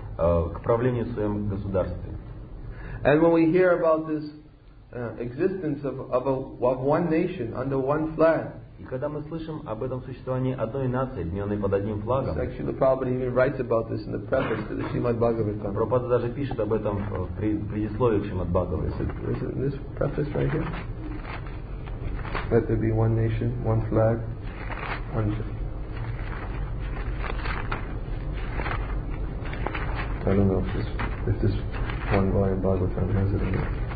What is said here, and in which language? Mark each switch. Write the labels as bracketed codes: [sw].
[ru] к правлению в своем государстве. [en] And when we hear about this existence of one nation under one flag, [ru] и когда мы слышим об этом существовании одной нации, объединенной под одним флагом, [en] actually, Prabhupada even writes about this in the preface to the Srimad Bhagavatam. [ru] Прабхупада даже пишет об этом в предисловии к Шримад Бхагаватам. [en] Is it this preface right here? Let there be one nation, one flag, one. I don't know if this one volume Bhagavatam has it in it.